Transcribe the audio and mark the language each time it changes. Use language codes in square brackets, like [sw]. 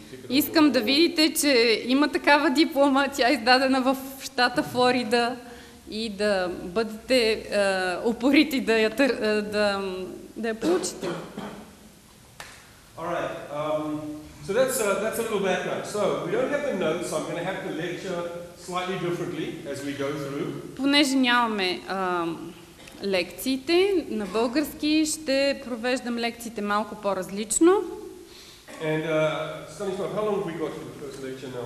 [bg] Искам да видите, че има такава диплома, тя е издадена в щата Флорида. И да бъдете упорити да я, да я получите. [en] All right. So that's a little background. So we don't have the notes, so I'm going to have the lecture slightly differently as we go through. [bg] Понеже нямаме лекциите на български, ще провеждам лекциите малко по-различно. [en] And Станислав, how long have we got for the first lecture now?